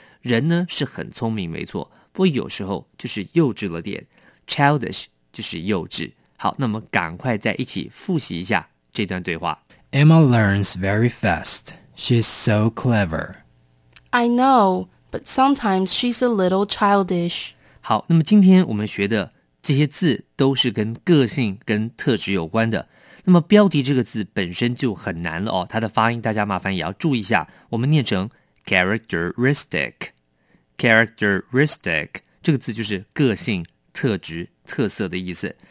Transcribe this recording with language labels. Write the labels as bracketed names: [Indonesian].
[Chinese] 人呢是很聪明，没错，不过有时候就是幼稚了点。 Childish 就是幼稚。好，那么赶快再一起复习一下这段对话。 [English] Emma learns very fast. She's so clever. I know, but sometimes she's a little childish. [Chinese] 好，那么今天我们学的这些字都是跟个性、跟特质有关的。那么标题这个字本身就很难了哦，它的发音大家麻烦也要注意一下，我们念成 characteristic， 这个字就是个性、特质、特色的意思。